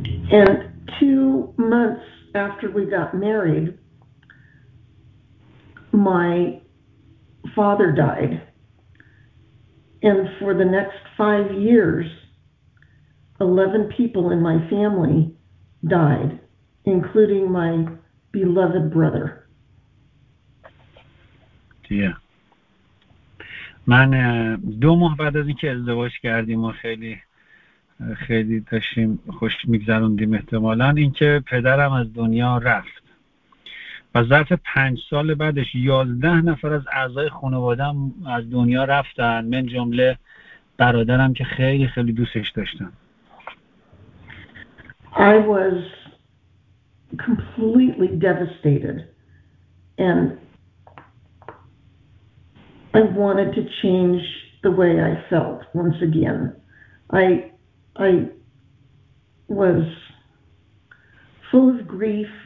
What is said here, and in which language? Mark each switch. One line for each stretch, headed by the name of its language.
English: And 2 months after we got married, my father died, and for the next 5 years, 11 people in my family died, including my beloved brother. Yeah.
Persian: من 2 ماه بعد از اینکه ازدواج کردیم و خیلی داشتیم خوش میگذروندیم، احتمالاً اینکه پدرم از دنیا رفت و ظرف 5 سال بعدش 11 نفر از اعضای خانواده‌ام از دنیا رفتن، من جمله برادرم که خیلی خیلی دوستش داشتم.
English: I was completely devastated and I wanted to change the way I felt once again. I was full of grief.